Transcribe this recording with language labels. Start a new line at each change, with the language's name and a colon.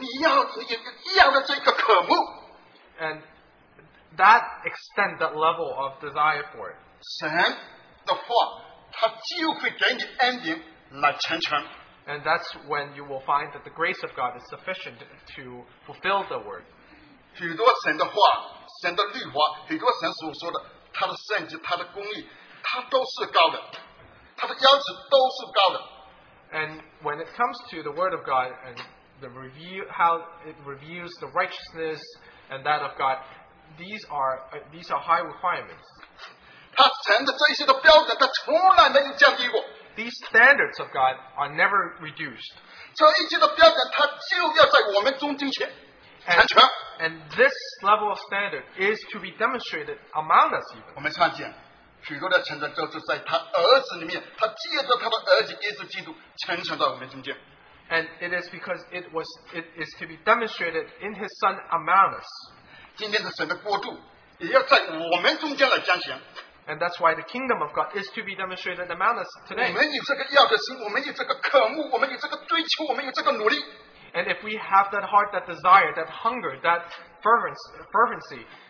Chinese: 你要的这个渴慕,
English: and that extent, that level of desire for it.
Chinese: 神的话,
English: and that's when you will find that the grace of God is sufficient to fulfill the word.
Chinese: 许多神的话,神的律法,许多神所说的,他的圣洁,他的公义, 他都是高的, 他的要求都是高的。
English: And when it comes to the word of God and the review, how it reviews the righteousness and that of God, these are high requirements.
Chinese: 他神的这一些的标准,他从来没有降低过。
English: These standards of God are never reduced.
Chinese: 这一些的标准,他就要在我们中间前。
English: And this level of standard is to be demonstrated among us even.
Chinese: 我们看见,许多的成长就是在他儿子里面,他借着他的儿子耶稣基督成长到我们中间。
English: And it is because it is to be demonstrated in His Son among us.
Chinese: 今天的神的国度也要在我们中间来彰显。
English: And that's why the kingdom of God is to be demonstrated among us today.
Chinese: 我们有这个要的心,我们有这个渴慕,我们有这个追求,我们有这个努力。
English: And if we have that heart, that desire, that hunger, that fervency,